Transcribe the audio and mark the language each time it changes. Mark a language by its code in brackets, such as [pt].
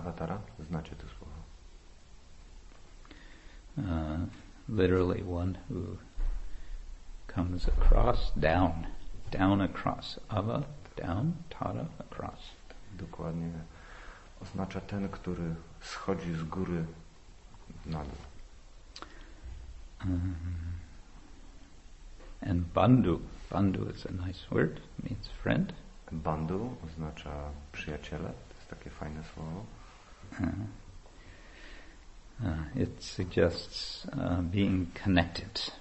[pl] Avatara znaczy to słowo. [en] Literally one who comes across, down. Down across. Ava, down, tara, across. [pl] Dokładnie. Oznacza ten, który schodzi z góry na dół. [en] And bandu. Bandu is a nice word. It means friend. [pl] Bandu oznacza przyjaciele. Takie fajne słowo. [en] It suggests being connected.